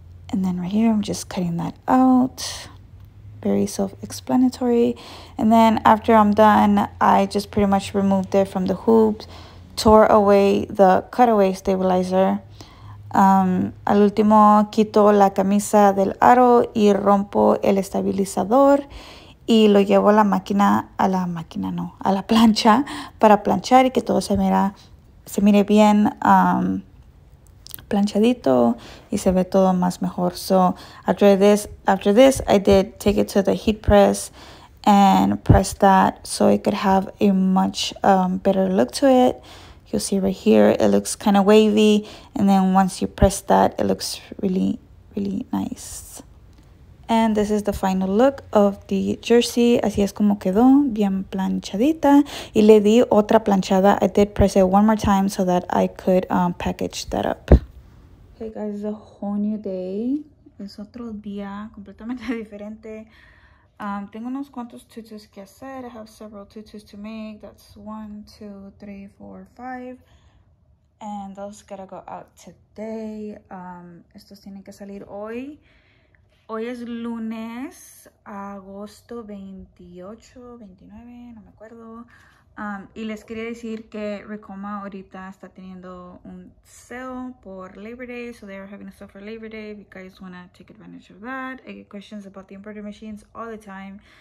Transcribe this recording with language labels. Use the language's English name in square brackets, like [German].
[English] And then right here, I'm just cutting that out. Very self-explanatory. And then after I'm done, I just pretty much removed it from the hoops, tore away the cutaway stabilizer. [Spanish] Al último, quito la camisa del aro y rompo el estabilizador y lo llevo a la plancha para planchar y que todo se mire bien planchadito y se ve todo más mejor. [English] So after this I did take it to the heat press and press that so it could have a much better look to it. You'll see right here it looks kind of wavy, and then once you press that it looks really, really nice. And this is the final look of the jersey. [Spanish] Así es como quedó, bien planchadita, y le di otra planchada. [English] I did press it one more time so that I could package that up. Hey guys, it's a whole new day. [Spanish] Es otro día completamente diferente. Tengo unos cuantos tutus que hacer. [English] I have several tutus to make. That's 1, 2, 3, 4, 5. And those gotta go out today. [Spanish] Estos tienen que salir hoy. Hoy es lunes, agosto 28, 29, no me acuerdo. Y les quería decir que Ricoma ahorita está teniendo un sale por Labor Day. [English] So they are having a sale for Labor Day. If you guys want to take advantage of that. I get questions about the embroidery machines all the time.